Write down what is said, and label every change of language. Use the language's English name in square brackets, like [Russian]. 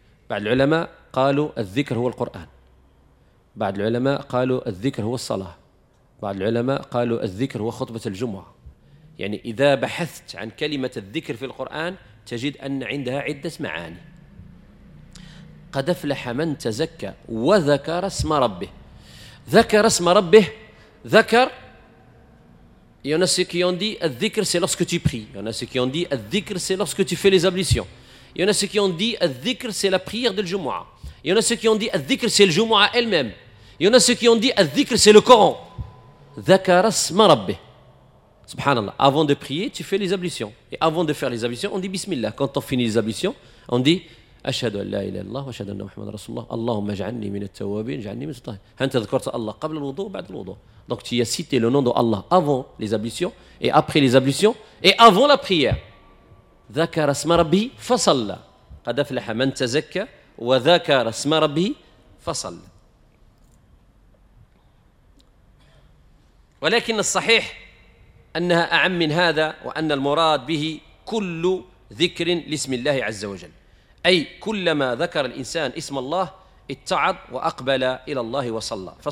[Arabic] بعض العلماء قالوا الذكر هو القرآن، بعض العلماء قالوا الذكر هو الصلاة، بعض العلماء قالوا الذكر هو خطبة الجمعة. يعني إذا بحثت عن كلمة الذكر في القرآن تجد أن عندها عدة معاني. قد أفلح من تزكى وذكر اسم ربه، ذكر اسم ربه ذكر. [French] Il y en a ceux qui ont dit « Al-dhikr, c'est lorsque tu pries. » Il y en a ceux qui ont dit « Al-dhikr, c'est lorsque tu fais les ablutions. » Il y en a ceux qui ont dit « Al-dhikr, c'est la prière de Jumu'ah. » Il y en a ceux qui ont dit « Al-dhikr, c'est le Jumu'ah elle-même. » Il y en a ceux qui ont dit « Al-dhikr, c'est le Coran. » « [Arabic] Dhakara sma rabbi. [French] » Subhanallah. Avant de prier, tu fais les ablutions. Et avant de faire les ablutions, on dit [Arabic] « Bismillah. » Quand on finit les ablutions, on dit « أشهد أن لا إله إلا الله وأشهد أن محمد رسول الله اللهم اجعلني من التوابين اجعلني من الطاهرين. هل تذكرت الله قبل الوضوء بعد الوضوء؟ [French] Donc tu as cité le nom de Allah avant les ablutions et après les ablutions et avant la prière. [Arabic] ذكر اسم ربي فصلى. قد أفلح من تزكى وذكر اسم ربي فصلى. ولكن الصحيح أنها أعم من هذا، وأن المراد به كل ذكر لاسم الله عز وجل، أي كلما ذكر الإنسان اسم الله اتعظ وأقبل إلى الله وصلى.